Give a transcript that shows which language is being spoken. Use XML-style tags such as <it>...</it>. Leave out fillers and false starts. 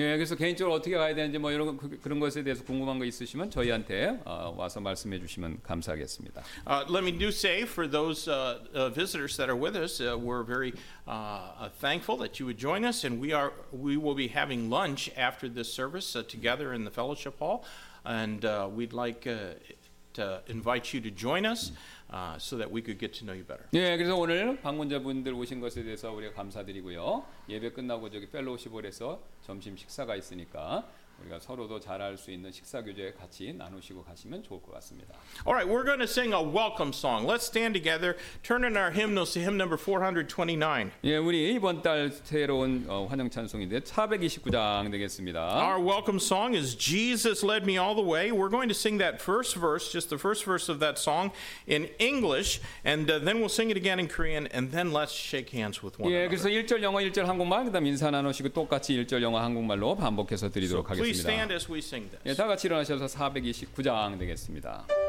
<ko>예, 그래서 개인적으로 어떻게 가야 되는지 뭐 이런 그런 것에 대해서 궁금한 거 있으시면 저희한테 와서 말씀해 주시면 감사하겠습니다.</ko> <en>Let me do say for those visitors that are with us, we're very thankful that you would join us, and we will be having lunch after this service together in the fellowship hall, and we'd like to invite you to join us so that we could get to know you better.</en> <ko>예, 그래서 오늘 방문자분들 오신 것에 대해서 우리가 감사드리고요. 예배 끝나고 저기 펠로우십홀에서 점심 식사가 있으니까 우리가 서로도 잘할 수 있는 식사 교제 같이 나누시고 가시면 좋을 것 같습니다.</ko> <en>All right, we're going to sing a welcome song. Let's stand together, turn in our hymnals to hymn number 429.</en> <ko>예, 우리 이번 달 새로운 환영 찬송인데 429장 되겠습니다.</ko> <en>Our welcome song is Jesus Led Me All the Way. We're going to sing that first verse, just the first verse of that song in English, and then we'll sing it again in Korean, and then let's shake hands with one another.</en> <ko>예, 그래서 1절 영어, 1절 한국말, 그다음 인사 나누시고 똑같이 1절 영어, 한국말로 반복해서 드리도록 하겠습니다.</ko> <en>Please stand as we sing this.</en> <ko>예, 다 같이 일어나셔서 429장 되겠습니다.</ko>